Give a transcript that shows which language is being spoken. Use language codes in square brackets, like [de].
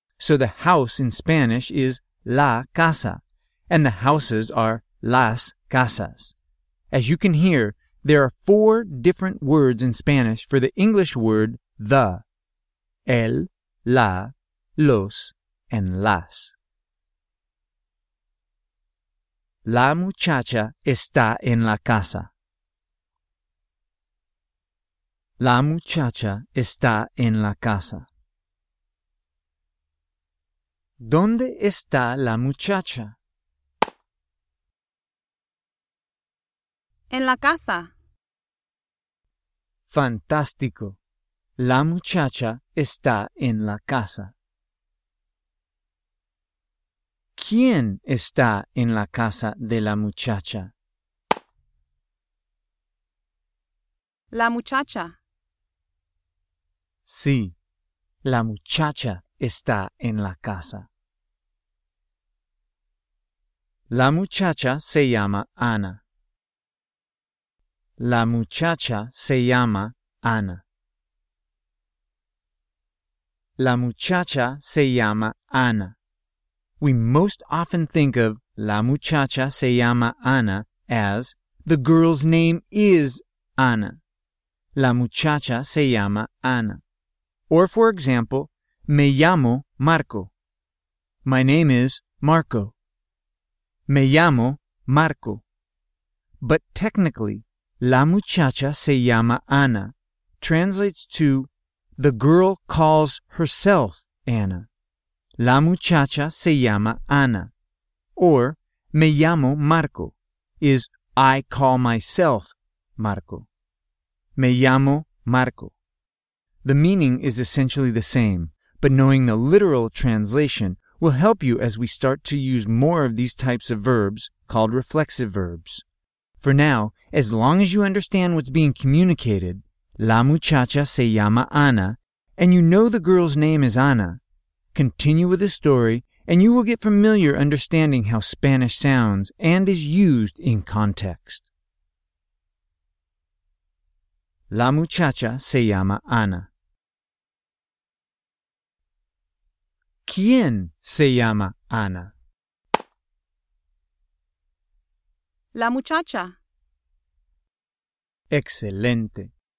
[en] So the house in Spanish is [es] la casa, [en] and the houses are [es] las casas. [en] As you can hear, there are four different words in Spanish for the English word the: el, la, los, and las. [es] La muchacha está en la casa. La muchacha está en la casa. ¿Dónde está la muchacha? En la casa. Fantástico. La muchacha está en la casa. ¿Quién está en la casa de la muchacha? La muchacha. Sí, la muchacha está en la casa. La muchacha se llama Ana. La muchacha se llama Ana. La muchacha se llama Ana. [en] We most often think of [es] la muchacha se llama Ana [en] as the girl's name is Ana. [es] La muchacha se llama Ana. [en] Or, for example, [es] me llamo Marco. [en] My name is Marco. [es] Me llamo Marco. [en] But technically, [es] la muchacha se llama Ana [en] translates to the girl calls herself Anna. [es] La muchacha se llama Ana. [en] Or, [es] me llamo Marco [en] is I call myself Marco. [es] Me llamo Marco. [en] The meaning is essentially the same, but knowing the literal translation will help you as we start to use more of these types of verbs called reflexive verbs. For now, as long as you understand what's being communicated, [es] la muchacha se llama Ana, [en] and you know the girl's name is Ana, continue with the story and you will get familiar understanding how Spanish sounds and is used in context. [es] La muchacha se llama Ana. ¿Quién se llama Ana? La muchacha. Excelente.